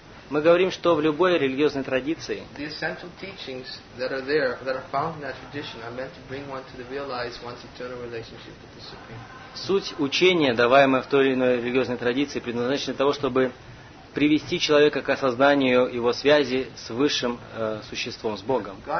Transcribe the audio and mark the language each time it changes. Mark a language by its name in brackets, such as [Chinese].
[Russian] Мы говорим, что в любой религиозной традиции. [English] The essential teachings that are there, that are found in that tradition, are meant to bring one to realize one's eternal relationship with the Supreme. [Russian] Суть учения, даваемая в той или иной религиозной традиции, предназначена для того, чтобы привести человека к осознанию его связи с высшим существом, с Богом.